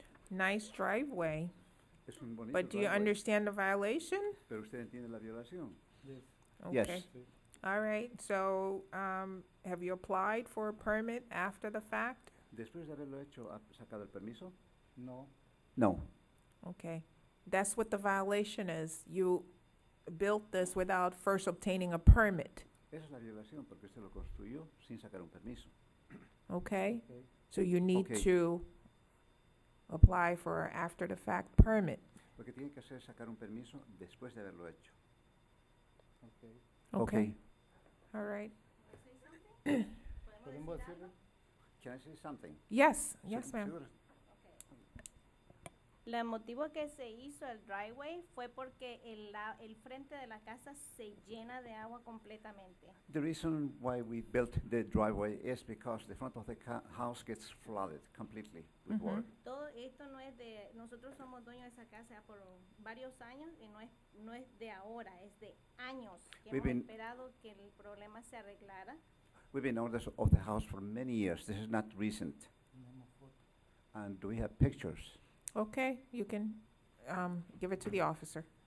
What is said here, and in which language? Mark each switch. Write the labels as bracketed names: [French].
[English] Nice driveway. [Spanish] Es un bonito [English] but do driveway. You understand the violation? [Spanish] Pero usted entiende la violación. [English] Yes. Okay. Yes. All right. So have you applied for a permit after the fact? [Spanish] Después de haberlo hecho, ¿ha sacado el permiso? [English] No. No. Okay. That's what the violation is. You built this without first obtaining a permit. [Spanish] Esa es la violación porque usted lo construyó sin sacar un permiso. [English] Okay. So you need to apply for an after-the-fact permit. [Spanish] Porque tiene que hacer sacar un permiso después de haberlo hecho. [English] Okay. Okay. All right. Can I say something? Can I say something? Yes. Yes, ma'am. [Spanish] La motivo que se hizo el driveway fue porque el frente de la casa se llena de agua completamente. [English] The reason why we built the driveway is because the front of the house gets flooded completely with mm-hmm. water. [Spanish] Todo esto no es de nosotros somos dueños de esa casa por varios años y no es de ahora, es de años que [English] we've [Spanish] hemos esperado que el problema se arreglara. [English] We've been owners of the house for many years. This is not recent. And do we have pictures? Okay, you can give it to the officer.